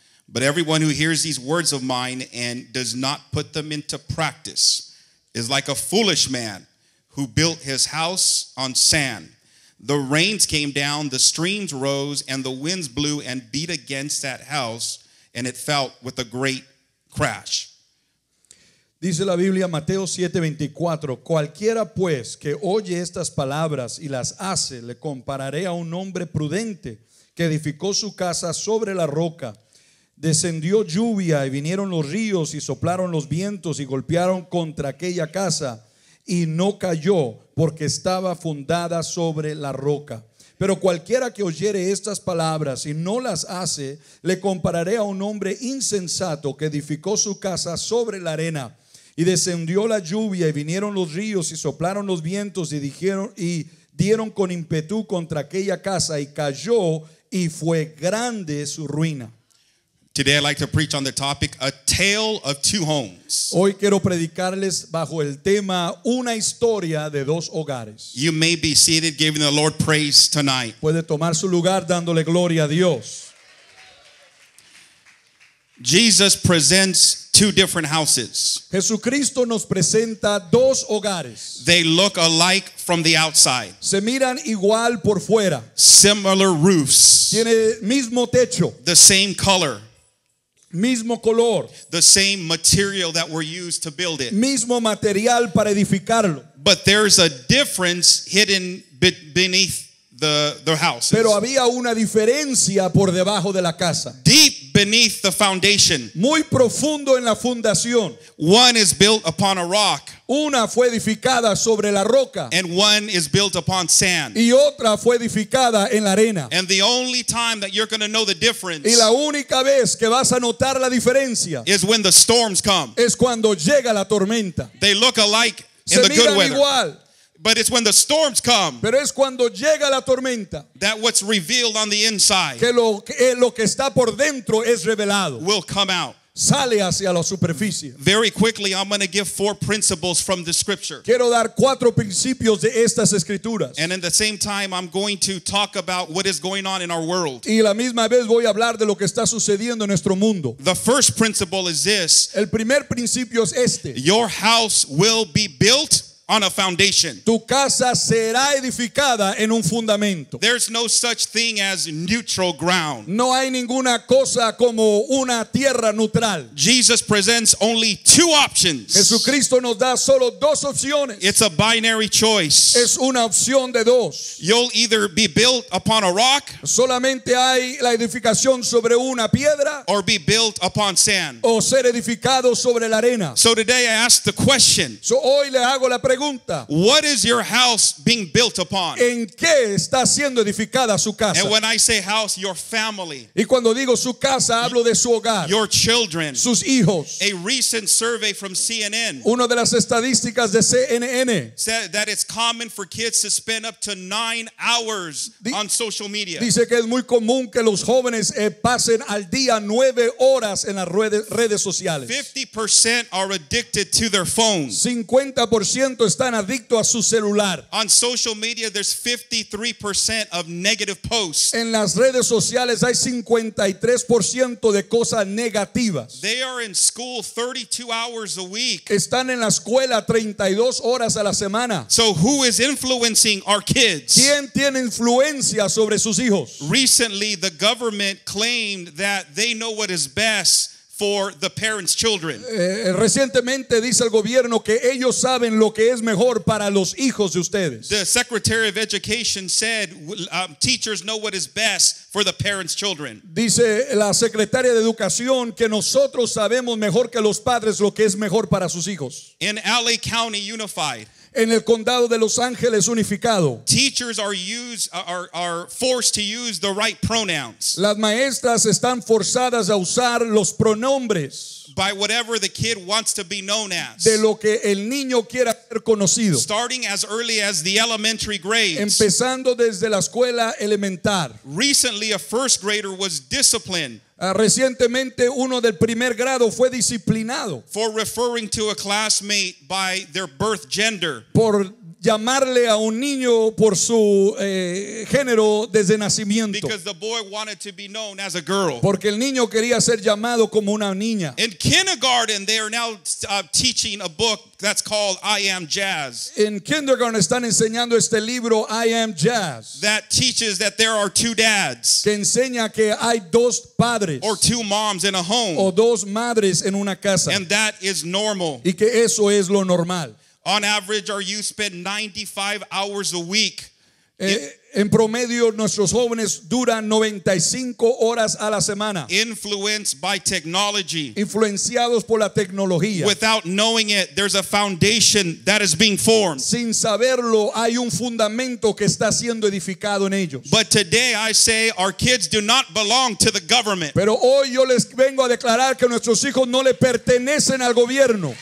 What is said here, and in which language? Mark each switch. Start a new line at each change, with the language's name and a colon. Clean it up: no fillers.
English: But everyone who hears these words of mine and does not put them into practice is like a foolish man who built his house on sand. The rains came down, the streams rose, and the winds blew and beat against that house, and it fell with a great crash.
Spanish: Dice la Biblia, Mateo 7:24, cualquiera pues que oye estas palabras y las hace, le compararé a un hombre prudente que edificó su casa sobre la roca. Descendió lluvia y vinieron los ríos y soplaron los vientos y golpearon contra aquella casa y no cayó porque estaba fundada sobre la roca. Pero cualquiera que oyere estas palabras y no las hace, le compararé a un hombre insensato que edificó su casa sobre la arena. Y descendió la lluvia y vinieron los ríos y soplaron los vientos y dieron con ímpetu contra aquella casa y cayó y fue grande su ruina.
English: Today I'd like to preach on the topic, A Tale of Two Homes.
Spanish: Hoy quiero predicarles bajo el tema, Una Historia de Dos Hogares.
English: You may be seated giving the Lord praise tonight.
Spanish: Puede tomar su lugar dándole gloria a Dios.
English: Jesus presents two different houses.
Spanish: Jesucristo nos presenta dos hogares.
English: They look alike from the outside.
Spanish: Se miran igual por fuera.
English: Similar roofs.
Spanish: Tiene mismo techo.
English: The same color.
Spanish: Mismo color.
English: The same material that were used to build it.
Spanish: Mismo material para edificarlo.
English: But there's a difference hidden beneath the houses.
Spanish: Pero había una diferencia por debajo de la casa.
English: Deep beneath the foundation.
Spanish: Muy profundo en la fundación.
English: One is built upon a rock.
Spanish: Una fue edificada sobre la roca.
English: And one is built upon sand.
Spanish: Y otra fue edificada en la arena.
English: And the only time that you're going to know the difference.
Spanish: Y la única vez que vas a notar la diferencia.
English: Is when the storms come.
Spanish: Es cuando llega la tormenta.
English: They look alike in the good weather.
Spanish: Igual.
English: But it's when the storms come.
Spanish: Pero es cuando llega la tormenta.
English: That what's revealed on the inside.
Spanish: Que lo que está por dentro es revelado.
English: Will come out.
Spanish: Sale hacia la superficie.
English: Very quickly, I'm going to give four principles from the scripture.
Spanish: Quiero dar cuatro principios de estas escrituras.
English: And in the same time, I'm going to talk about what is going on in our world.
Spanish: Y la misma vez voy a hablar de lo que está sucediendo en nuestro mundo.
English: The first principle is this.
Spanish: El primer principio es este.
English: Your house will be built on a foundation.
Spanish: Tu casa será edificada en un fundamento.
English: There's no such thing as neutral ground.
Spanish: No hay ninguna cosa como una tierra neutral.
English: Jesus presents only two options.
Spanish: Jesucristo nos da solo dos opciones.
English: It's a binary choice.
Spanish: Es una opción de dos.
English: You'll either be built upon a rock.
Spanish: Solamente hay la edificación sobre una piedra.
English: Or be built upon sand.
Spanish: O ser edificado sobre la arena.
English: So today I ask the question.
Spanish: So hoy le hago la pregunta.
English: What is your house being built upon?
Spanish: ¿En qué está siendo edificada su casa?
English: And when I say house, your family.
Spanish: Y cuando digo su casa, hablo de su hogar.
English: Your children.
Spanish: Sus hijos.
English: A recent survey from CNN.
Spanish: Una de las estadísticas de CNN.
English: Said that it's common for kids to spend up to 9 hours on social media.
Spanish: Dice que es muy común que los jóvenes pasen al día 9 horas en las redes sociales.
English: 50% are addicted to their phones.
Spanish: 50% están adicto a su celular.
English: On social media, there's 53% of negative posts.
Spanish: En las redes sociales hay 53% de cosas negativas.
English: They are in school 32 hours a week.
Spanish: Están en la escuela 32 horas a la semana.
English: So who is influencing our kids?
Spanish: ¿Quién tiene influencia sobre sus hijos?
English: Recently, the government claimed that they know what is best for the parents' children.
Spanish: Recientemente dice el gobierno que ellos saben lo que es mejor para los hijos de ustedes.
English: The Secretary of Education said teachers know what is best for the parents' children.
Spanish: Dice la secretaria de educación que nosotros sabemos mejor que los padres lo que es mejor para sus hijos.
English: In LA County Unified.
Spanish: En el condado de Los Ángeles unificado.
English: Teachers are forced to use the right pronouns.
Spanish: Las maestras están forzadas a usar los pronombres.
English: By whatever the kid wants to be known as.
Spanish: De lo que el niño quiera ser conocido.
English: Starting as early as the elementary grades.
Spanish: Empezando desde la escuela elemental.
English: Recently, a first grader was disciplined.
Spanish: Recientemente uno del primer grado fue disciplinado.
English: For referring to a classmate by their birth gender.
Spanish: Por llamarle a un niño por su género desde nacimiento.
English: Because the boy wanted to be known as a girl.
Spanish: Porque el niño quería ser llamado como una niña.
English: In kindergarten they are now teaching a book that's called I Am Jazz.
Spanish: En kindergarten están enseñando este libro I Am Jazz.
English: That teaches that there are two dads.
Spanish: Que enseña que hay dos padres.
English: Or two moms in a home.
Spanish: O dos madres en una casa.
English: And that is normal.
Spanish: Y que eso es lo normal.
English: On average, our youth spend 95 hours a week.
Spanish: En promedio, nuestros jóvenes duran 95 horas a la semana.
English: Influenced by technology.
Spanish: Influenciados por la tecnología.
English: Without knowing it, there's a foundation that is being formed.
Spanish: Sin saberlo, hay un fundamento que está siendo edificado en ellos.
English: But today I say our kids do not belong to the government.
Spanish: Pero hoy yo les vengo a declarar que nuestros hijos no le pertenecen al gobierno.